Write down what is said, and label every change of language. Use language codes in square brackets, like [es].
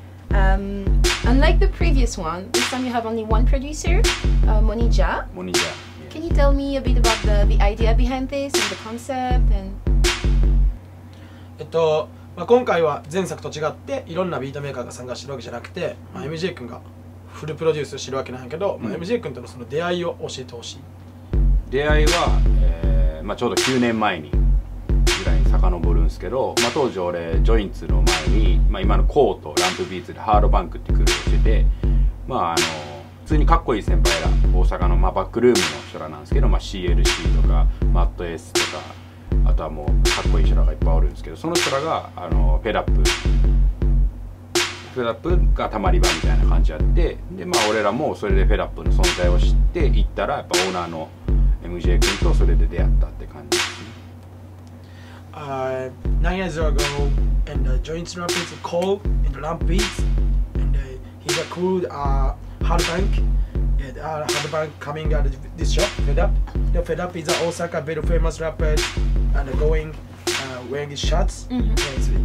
[en] Unlike the previous one, this time you have only one producer, Monija. Monija. Yes. Can you tell me a bit about the idea behind this and the concept? And. [ja] まあ今回は前作と違っていろんなビートメーカーが参加してるわけじゃなくて、まあ MJ 君がフルプロデュースしてるわけなんやけど、まあ MJ 君とのその出会いを教えてほしい。出会いは。まあ、ちょうど9年前にぐらいに遡るんですけど、まあ、当時俺ジョインツの前に、まあ、今のコーとランプビーツでハードバンクってクルーをしてて、まあ、あの普通にかっこいい先輩ら大阪のまあバックルームの人らなんですけど、まあ、CLC とかマット S とかあとはもうかっこいい人らがいっぱいおるんですけど、その人らがあのフェダップがたまり場みたいな感じあって、で、まあ、俺らもそれでフェダップの存在を知って行ったら、やっぱオーナーのMJ 君とそれで出会ったって感じですね。 [en] 9 years ago, and the joint rapper is Cole and the Lamp Beats, and he's a cool hard bank. Yeah, the hard bank coming out of this shop, Fed Up. The Fed Up is an Osaka very famous rapper and going wearing his shirts. Mm-hmm.